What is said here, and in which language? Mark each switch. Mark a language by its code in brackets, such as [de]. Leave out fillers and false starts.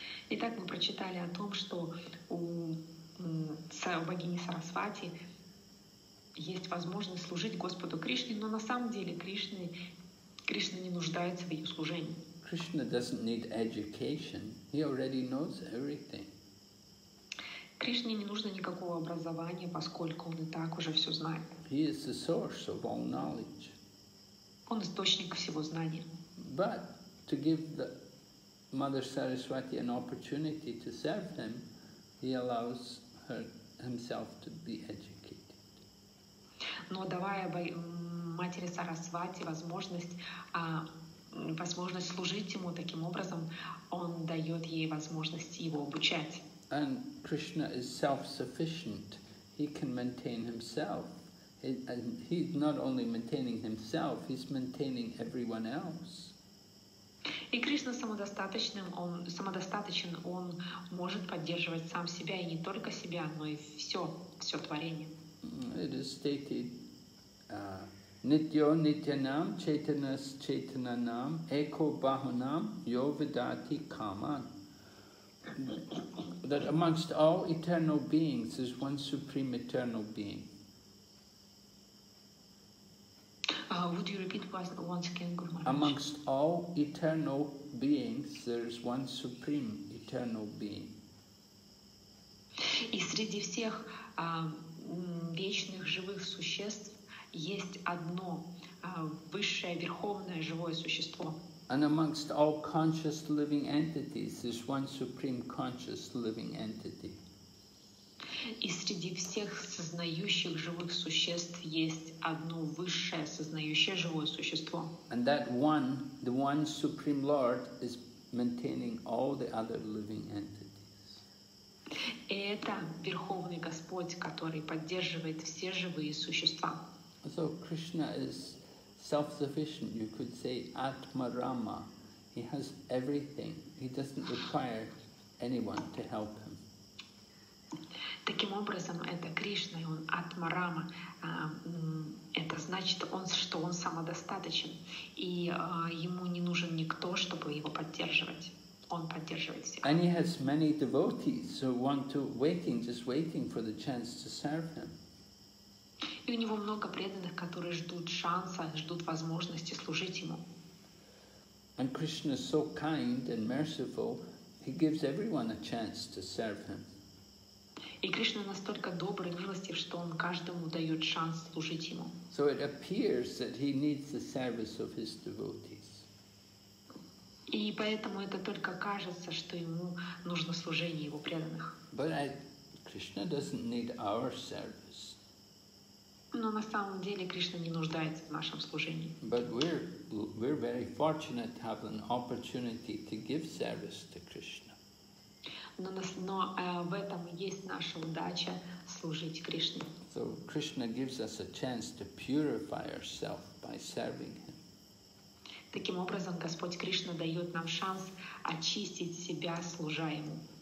[ru] Итак, мы прочитали о том, что у богини Сарасвати есть возможность служить Господу Кришне, но на самом деле Кришна не нуждается в ее служении. [en] Krishna doesn't need education. He already knows everything. [ru] Кришне не нужно никакого образования, поскольку он и так уже все знает. [en] He is the source of all knowledge. [ru] Он источник всего знания. [en] But to give the Mother Saraswati an opportunity to serve him, he allows himself to be educated. [ru] Но давая матери Сарасвати возможность служить ему таким образом, он дает ей возможность его обучать. [en] And Krishna is self-sufficient. He can maintain himself. And he's not only maintaining himself, he's maintaining everyone else. [ru] И Кришна самодостаточен, он может поддерживать сам себя, и не только себя, но и все творение. [en] It is stated, [sa] Nityo Nityanam Chaitanas Chaitananam Eko Bahunam Yo Vidati Kaman. [en] That amongst all eternal beings is one supreme eternal being. Would you repeat once again, Guru Maharaj? Amongst all eternal beings, there is one supreme eternal being. [ru] И среди всех вечных живых существ есть одно высшее верховное живое существо. [en] And amongst all conscious living entities, there is one supreme conscious living entity. [ru] И среди всех сознающих живых существ есть одно высшее сознающее живое существо. [en] And that one, the one supreme Lord, is maintaining all the other living entities. [ru] И это Верховный Господь, который поддерживает все живые существа. [en] So Krishna is self-sufficient, you could say Atmarama. He has everything. He doesn't require anyone to help him. [ru] Таким образом, это Кришна, и он Атмарама. Это значит, он, что он самодостаточен, и ему не нужен никто, чтобы его поддерживать. Он поддерживает всех. [en] And he has many devotees who want to waiting for the chance to serve him. [ru] И у него много преданных, которые ждут шанса, ждут возможности служить ему. [en] And Krishna is so kind and merciful, he gives everyone a chance to serve him. [ru] И Кришна настолько добр и милостив, что он каждому дает шанс служить ему. [en] So it appears that he needs the service of his devotees. [ru] И поэтому это только кажется, что ему нужно служение его преданных. [en] But Krishna doesn't need our service. [ru] Но на самом деле Кришна не нуждается в нашем служении. [en] But we're very fortunate to have an opportunity to give service to Krishna. [ru] Но в этом есть наша удача служить Кришне. [en] So Krishna gives us a chance to purify ourselves by serving him. [ru] Таким образом, Господь Кришна дает нам шанс очистить себя, служа ему.